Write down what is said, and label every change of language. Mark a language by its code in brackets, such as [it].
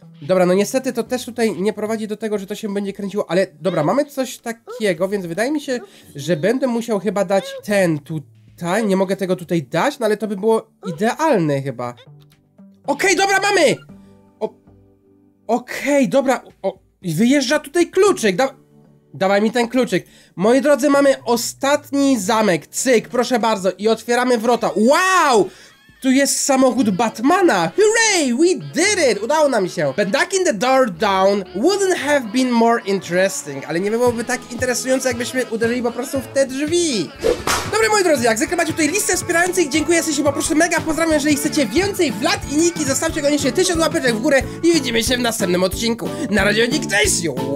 [pl] Dobra, no niestety to też tutaj nie prowadzi do tego, że to się będzie kręciło, ale dobra, mamy coś takiego, więc wydaje mi się, że będę musiał chyba dać ten tutaj, nie mogę tego tutaj dać, no ale to by było idealne chyba. Okej, dobra, mamy! Okej, dobra, wyjeżdża tutaj kluczyk, dawaj mi ten kluczyk. Moi drodzy, mamy ostatni zamek, cyk, proszę bardzo, i otwieramy wrota, wow! Tu jest samochód Batmana. [en] Hooray, we did it. [pl] Udało nam się. [en] But knocking the door down wouldn't have been more interesting. [pl] Ale nie byłoby tak interesujące, jakbyśmy uderzyli po prostu w te drzwi. Dobry moi drodzy, jak zwykle macie tutaj listę wspierających. Dziękuję, jesteście po prostu mega. Pozdrawiam, jeżeli chcecie więcej Vlad i Niki. Zostawcie koniecznie 1000 łapeczek w górę. I widzimy się w następnym odcinku. Na razie, Nick, cześć.